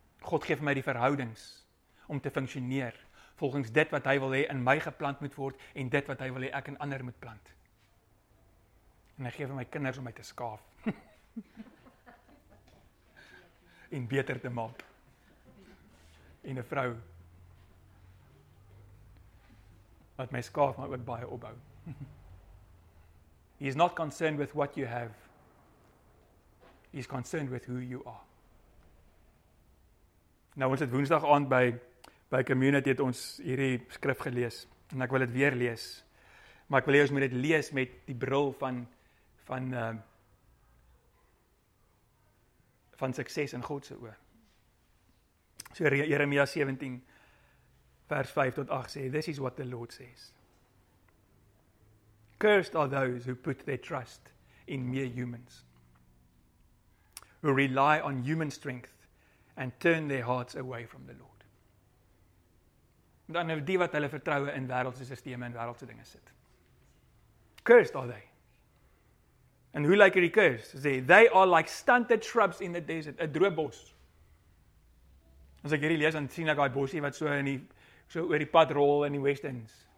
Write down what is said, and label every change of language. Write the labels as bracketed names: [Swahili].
[Afrikaans] God gee vir my die verhoudings om te funksioneer volgens dit wat hy wil hê in my geplant moet word en dit wat hy wil hê ek in ander moet plant. En hy gee vir my kinders om my te skaaf. en beter te maak. En 'n vrou wat my skaaf maar ook baie opbou. [English] He is not concerned with what you have. He is concerned with who you are. [Afrikaans] Nou ons het Woensdag aand by community het ons hierdie skrif gelees en ek wil dit weer lees. Maar ek wil hê ons moet dit lees met die bril van sukses in God se oë. So Jeremia 17 vers 5 tot 8 sê [English] this is what the Lord says. Cursed are those who put their trust in mere humans. Who rely on human strength and turn their hearts away from the Lord. [Afrikaans] Dan het die wat hulle vertroue in wêreldse sisteme en wêreldse dinge sit. [English] Cursed are they. And who like Eric Kers? Say, they are like stunted shrubs in the desert, [Afrikaans] a droë bos. As ek hierdie lees dan sien ek daai bosie wat so in die so oor die pad rol in die Westerns.